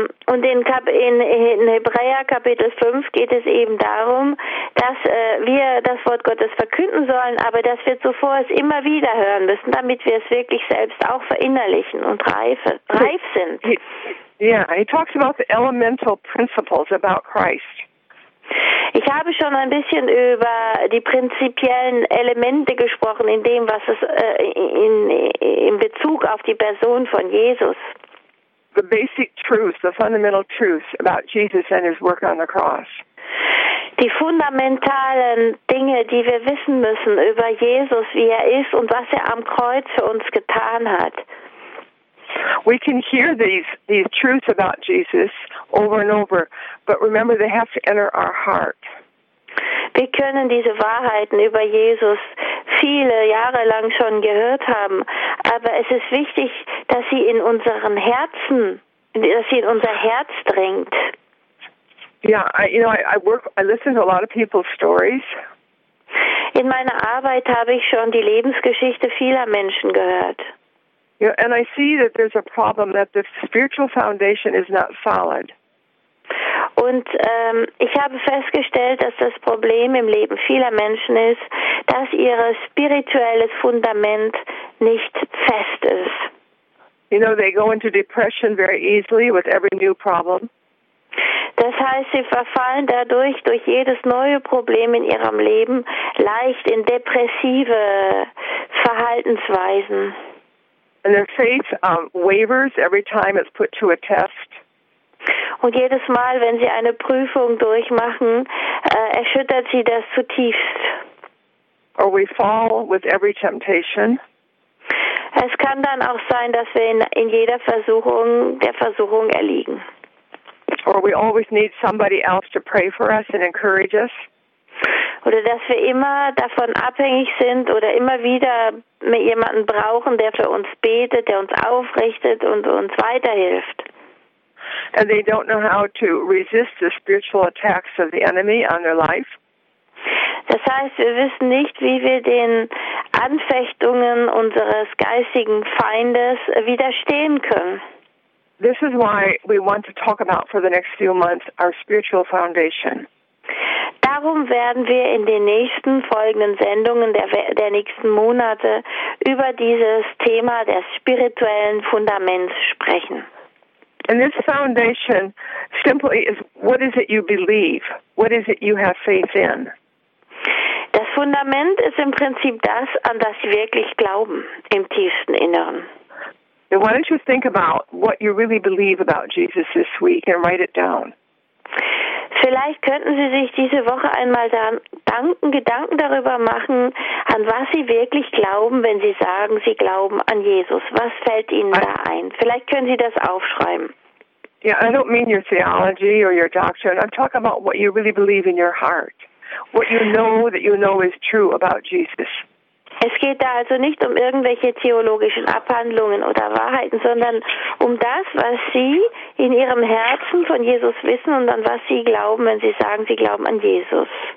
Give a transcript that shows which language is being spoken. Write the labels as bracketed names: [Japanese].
[German] Und in Hebräer Kapitel 5 geht es eben darum, dass wir das Wort Gottes verkünden sollen, aber dass wir zuvor es immer wieder hören müssen, damit wir es wirklich selbst auch verinnerlichen und reif sind. [English] He talks about the elemental principles about Christ. [German] Ich habe schon ein bisschen über die prinzipiellen Elemente gesprochen in dem, was es in Bezug auf die Person von Jesus. [English] The basic truth, the fundamental truth about Jesus and his work on the cross. [German] Die fundamentalen Dinge, die wir wissen müssen über Jesus, wie er ist und was er am Kreuz für uns getan hat. [English] We can hear these truths about Jesus over and over, but remember they have to enter our heart. [German] Wir können diese Wahrheiten über Jesus viele Jahre lang schon gehört haben, aber es ist wichtig, dass sie in unseren Herzen, dass sie in unser Herz dringt. [English] I listen to a lot of people's stories. [German] In meiner Arbeit habe ich schon die Lebensgeschichte vieler Menschen gehört. [English] And I see that there's a problem that the spiritual foundation is not solid. [German] Und ich habe festgestellt, dass das Problem im Leben vieler Menschen ist, dass ihr spirituelles Fundament nicht fest ist. [English] You know, they go into depression very easily with every new problem. [German] Das heißt, sie verfallen dadurch durch jedes neue Problem in ihrem Leben leicht in depressive Verhaltensweisen. [English] And their faith wavers every time it's put to a test. [German] Und jedes Mal, wenn sie eine Prüfung durchmachen, erschüttert sie das zutiefst. [English] Or we fall with every temptation. [German] Es kann dann auch sein, dass wir in jeder Versuchung der Versuchung erliegen. [English] Or we always need somebody else to pray for us and encourage us. [German] Oder dass wir immer davon abhängig sind oder immer wieder jemanden brauchen, der für uns betet, der uns aufrichtet und uns weiterhilft. [English] And they don't know how to resist the spiritual attacks of the enemy on their life. [German] Das heißt, wir wissen nicht, wie wir den Anfechtungen unseres geistigen Feindes widerstehen können. [English] This is why we want to talk about for the next few months our spiritual foundation. [German] Darum werden wir in den nächsten folgenden Sendungen der nächsten Monate über dieses Thema des spirituellen Fundaments sprechen. [English] And this foundation simply is, what is it you believe? What is it you have faith in? [German] Das Fundament ist im Prinzip das, an das Sie wirklich glauben, im tiefsten Inneren. [English] Now why don't you think about what you really believe about Jesus this week and write it down. [German] Vielleicht könnten Sie sich diese Woche einmal Gedanken darüber machen, an was Sie wirklich glauben, wenn Sie sagen, Sie glauben an Jesus. Was fällt Ihnen da ein? Vielleicht können Sie das aufschreiben. [English] Yeah, I don't mean your theology or your doctrine. I'm talking about what you really believe in your heart. What you know that you know is true about Jesus. [German] Es geht da also nicht um irgendwelche theologischen Abhandlungen oder Wahrheiten, sondern um das, was Sie in Ihrem Herzen von Jesus wissen und an was Sie glauben, wenn Sie sagen, Sie glauben an Jesus.